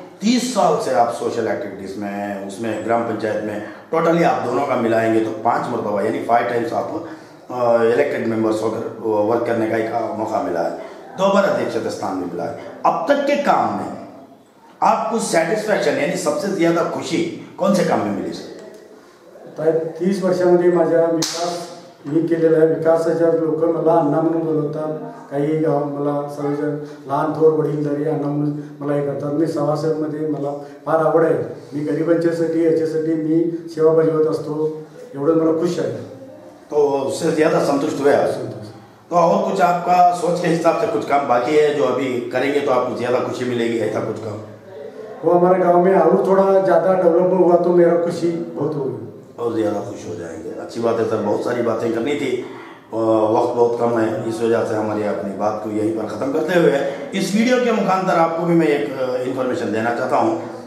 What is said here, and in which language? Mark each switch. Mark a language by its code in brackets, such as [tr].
[hi] 30 साल से आप सोशल एक्टिविटीज में हैं, उसमें ग्राम पंचायत में टोटली आप दोनों का मिलाएंगे तो 5 मरतबा यानी 5 टाइम्स आप इलेक्टेड मेंबर्स होकर वर्क करने का एक मौका मिला है, दो बार अध्यक्ष स्थान भी मिला है। अब तक के काम में आपको सैटिस्फैक्शन यानी सबसे ज्यादा खुशी कौन से काम में मिली सर? [mr] 30 वर्षांमध्ये माझा विकास मी केलेला आहे, विकासाच्या लोक मला अण्णा म्हणून बोलवतात, काही गाव मला सर्वजण लहान थोर वडील जरी अण्णा म्हणून मला हे करतात। मी सभासदमध्ये मला फार आवड आहे, मी गरिबांच्यासाठी याच्यासाठी मी सेवा बजावत असतो, एवढं मला खुश आहे। [hi] तो ज्यादा संतुष्ट हुए तो और कुछ आपका सोच के हिसाब से कुछ काम बाकी है जो अभी करेंगे तो आपको ज्यादा खुशी मिलेगी ऐसा कुछ काम? वो हमारे गांव में और थोड़ा ज्यादा डेवलप हुआ तो मेरा खुशी बहुत होगी, और ज्यादा खुश हो जाएंगे। अच्छी बात है सर, बहुत सारी बातें करनी थी, वक्त बहुत कम है, इस वजह से हमारी अपनी बात को यहीं पर खत्म करते हुए इस वीडियो के मुखांतर आपको भी मैं एक इन्फॉर्मेशन देना चाहता हूँ।